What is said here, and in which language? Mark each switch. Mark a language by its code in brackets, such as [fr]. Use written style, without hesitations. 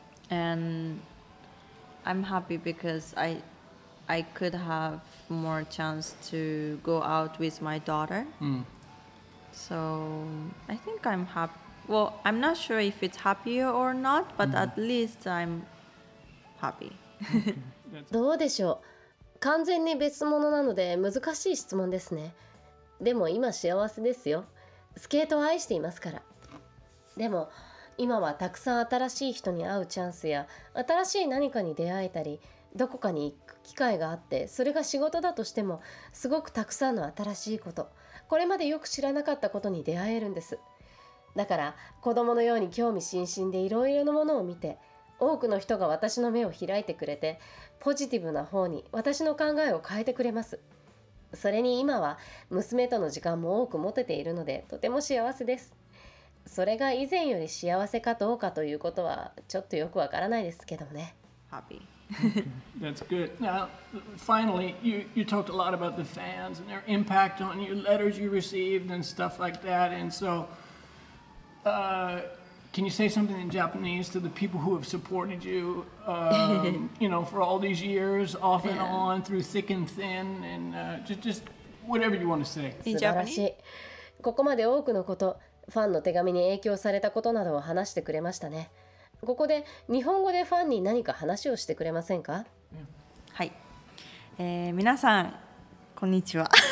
[en] And I'm happy because I could have more chance to go out with my daughter. Mm. So I think I'm happy. Well, I'm not sure if it's happier or not, but at least I'm puppy. [ja] どうでしょう。完全に別物なので難しい質問ですね。でも今幸せですよ。スケートを愛していますから。でも今はたくさん新しい人に会うチャンスや新しい何かに出会えたり、どこかに行く機会があって、それが仕事だとしてもすごくたくさんの新しいこと、これまでよく知らなかったことに出会えるんです。だから子供のように興味津々でいろいろなものを見て、多くの人が私の目を開いてくれて、ポジティブな方に私の考えを変えてくれます。それに今は娘との時間も多く持てているのでとても幸せです。それが以前より幸せかどうかということはちょっとよくわからないですけどね。 [en] Happy. That's good. Now, finally, you talked a lot about the fans and their impact on you, letters you received and stuff like that. And so, can you say something in Japanese to the people who have supported you, you know, for all these years, off and on, through thick and thin, and just whatever you want to say. In Japanese. [ja] ここまで多くのこと、ファンの手紙に影響されたことなどを話してくれましたね。ここで日本語でファンに何か話をしてくれませんか？はい、皆さんこんにちは。